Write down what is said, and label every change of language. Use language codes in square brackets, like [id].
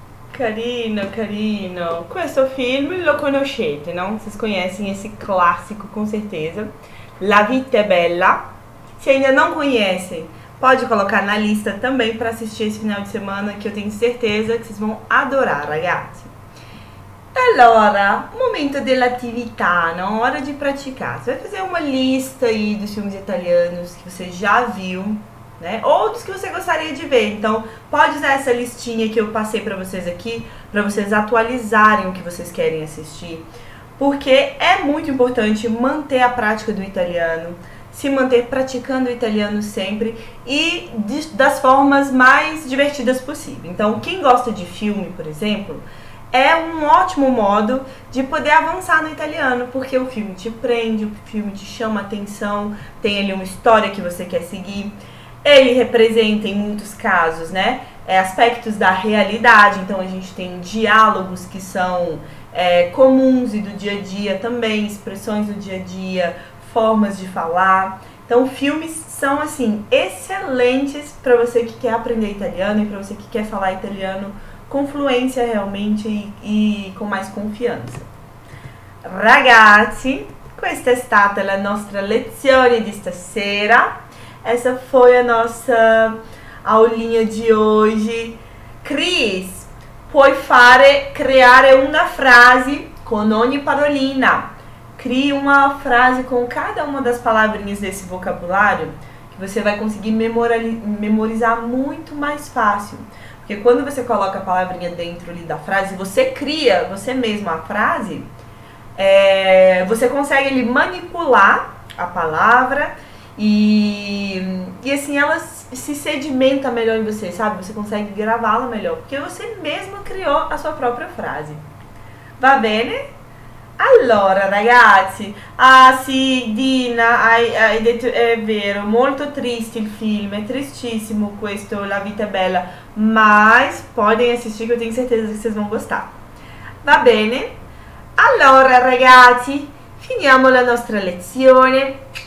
[it] Carino, carino, carino. Questo film lo conoscete, no? [pt] Vocês conhecem esse classico com certeza. La vita è bella. Se ainda não conhecem, pode colocar na lista também para assistir esse final de semana, que eu tenho certeza que vocês vão adorar, ragazzi. [it] Allora, momento dell'attività, no? Ora di praticar. [pt] Você vai fazer uma lista aí dos filmes italianos que você já viu. Né? Outros que você gostaria de ver. Então, pode usar essa listinha que eu passei para vocês aqui, para vocês atualizarem o que vocês querem assistir. Porque é muito importante manter a prática do italiano, se manter praticando o italiano sempre e das formas mais divertidas possível. Então, quem gosta de filme, por exemplo, é um ótimo modo de poder avançar no italiano, porque o filme te prende, o filme te chama atenção, tem ali uma história que você quer seguir. Ele representa, em muitos casos, né, aspectos da realidade. Então a gente tem diálogos que são comuns e do dia a dia também, expressões do dia a dia, formas de falar. Então filmes são assim excelentes para você que quer aprender italiano e para você que quer falar italiano com fluência realmente e com mais confiança. [it] Ragazzi, questa è stata la nostra lezione di stasera. [pt] Essa foi a nossa aulinha de hoje. [it] Cris, puoi fare creare una frase con ogni parolina. [pt] Crie uma frase com cada uma das palavrinhas desse vocabulário que você vai conseguir memorizar muito mais fácil. Porque quando você coloca a palavrinha dentro ali da frase, você cria você mesmo a frase, você consegue ali manipular a palavra. E assim ela se sedimenta melhor em você, sabe? Você consegue gravá-la melhor, porque você mesmo criou a sua própria frase. [it] Va bene? Allora, ragazzi. Ah, sì, Dina, hai detto, è vero, molto triste il film, è tristissimo questo, La vita è bella, [pt] mas podem assistir che eu tenho certeza che vocês vão gostar. [it] Va bene? Allora, ragazzi, finiamo la nostra lezione.